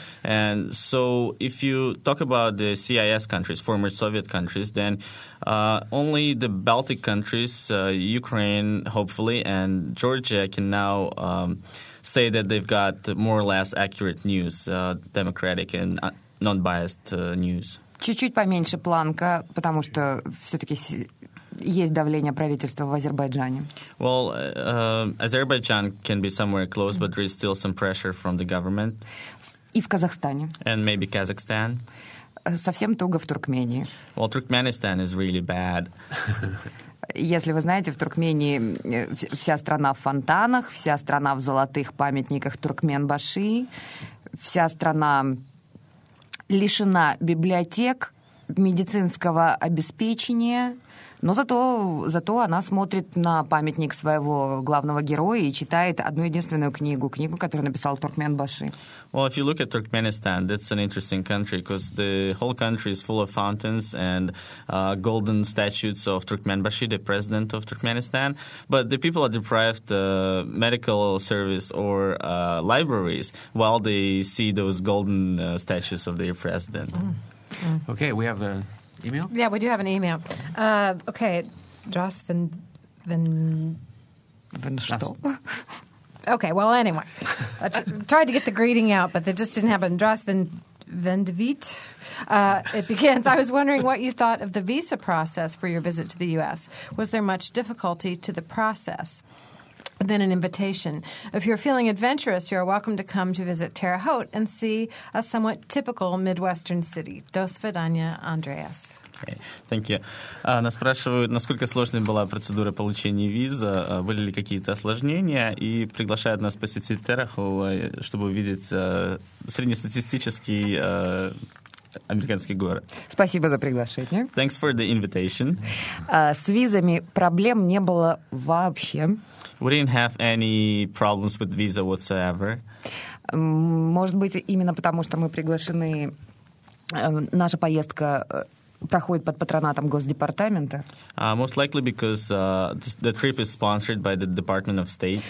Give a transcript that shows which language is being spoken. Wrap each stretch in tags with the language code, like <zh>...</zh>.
<en>And so if you talk about the CIS countries, former Soviet countries, then only the Baltic countries, Ukraine, hopefully, and Georgia can now say that they've got more or less accurate news, democratic and non-biased news.</en> <ru>Чуть-чуть поменьше планка, потому что все-таки есть давление правительства в Азербайджане.</ru> <en>Well, Azerbaijan can be somewhere close, but there is still some pressure from the government.</en> <ru>И в Казахстане.</ru> <en>And maybe Kazakhstan.</en> <ru>Совсем туго в Туркмении.</ru> <en>Well, Turkmenistan is really bad.</en> <ru>Если вы знаете, в Туркмении вся страна в фонтанах, вся страна в золотых памятниках Туркменбаши, вся страна лишена библиотек, медицинского обеспечения. Но зато она смотрит на памятник своего главного героя и читает одну единственную книгу, книгу, которую написал Туркменбаши.</ru> <en>Well, if you look at Turkmenistan, that's an interesting country because the whole country is full of fountains and golden statues of Turkmenbaşı, the president of Turkmenistan. But the people are deprived medical service or libraries while they see those golden statues of their president. Mm. Mm. Okay, we have an email? Yeah, we do have an email. Okay, Joss Van... Van Stol? Okay, well, anyway. I tried to get the greeting out, but it just didn't happen. Joss Van De Viet? It begins, I was wondering what you thought of the visa process for your visit to the U.S. Was there much difficulty to the process? Then an invitation. If you're feeling adventurous, you're welcome to come to visit Terre Haute and see a somewhat typical Midwestern city.</en> <ru>До свидания, Andreas.</ru> <en>Okay. Thank you.</en> <ru>Нас спрашивают, насколько сложной была процедура получения визы, были ли какие-то осложнения, и приглашают нас посетить Terre Haute, чтобы увидеть среднестатистический американский город. Спасибо за приглашение.</ru> <en>Thanks for the invitation.</en> <ru>С визами проблем не было вообще.</ru> <en>We didn't have any problems with visa whatsoever.</en> <ru>Может быть, именно потому, что мы приглашены, наша поездка проходит под патронатом Госдепартамента.</ru> <en>Most likely because the trip is sponsored by the Department of State.</en>